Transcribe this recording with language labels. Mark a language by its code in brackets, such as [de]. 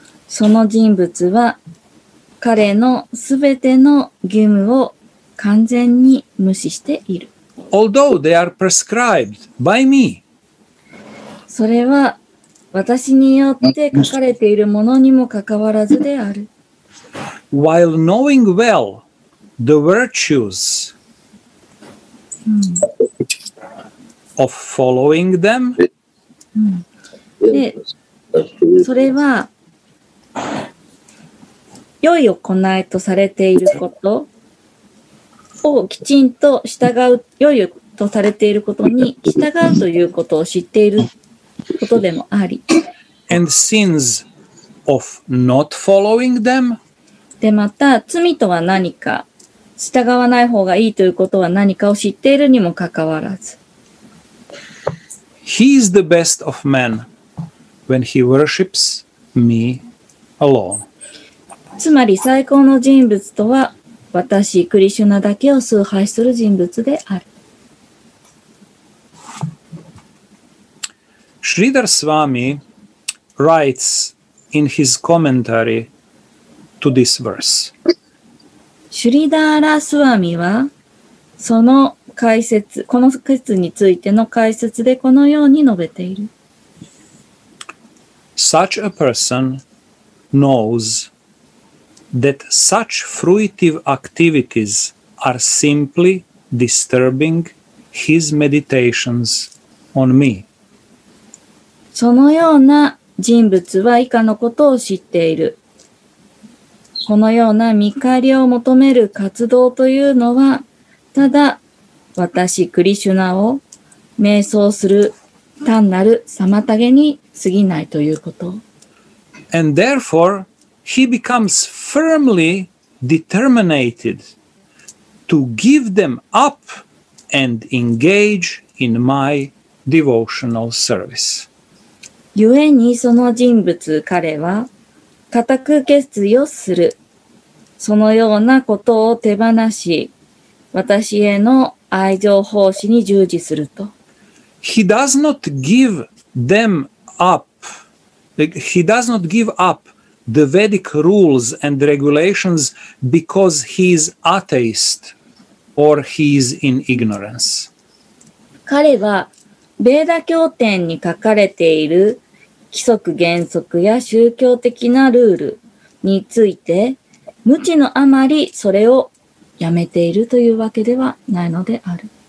[ja] その人物は彼のすべての義務を完全に無視している。 [en] Although they are prescribed by me, [ja] それは私によって書かれているものにもかかわらずである。 [en] While knowing well the virtues of following them、 [ja] うん、でそれは良い行いとされていることをきちんと従う、良いとされていることに従うということを知っていることでもあり、 [en] And sins of not following them、 [ja] でまた罪とは何か、従わない方がいいということは何かを知っているにもかかわらず、 [en] He is the best of men when he worships me alone、 [ja] つまり最高の人物とは私クリシュナだけを崇拝する人物である。 [en] シリダラ・スワミ writes in his commentary to this verse。 [ja] シリダラ・スワミはその解説、この節についての解説でこのように述べている。 [en] Such a person knows that such fruitive activities are simply disturbing his meditations on me。 [ja] そのような人物は以下のことを知っている。このような見返りを求める活動というのは、ただ私クリシュナを瞑想する単なる妨げに過ぎないということ。 [en] And therefore, he becomes firmly determined to give them up and engage in my devotional service。 [ja] ゆえにその人物、彼は固く決意をする。そのようなことを手放し、私への愛情奉仕に従事すると。 [en] He does not give them up、like、He does not give up the Vedic rules and regulations because he is atheist or he is in ignorance。 [ja] 彼はベーダ経典に書かれている規則原則や宗教的なルールについて無知のあまりそれをやめているというわけではないのである。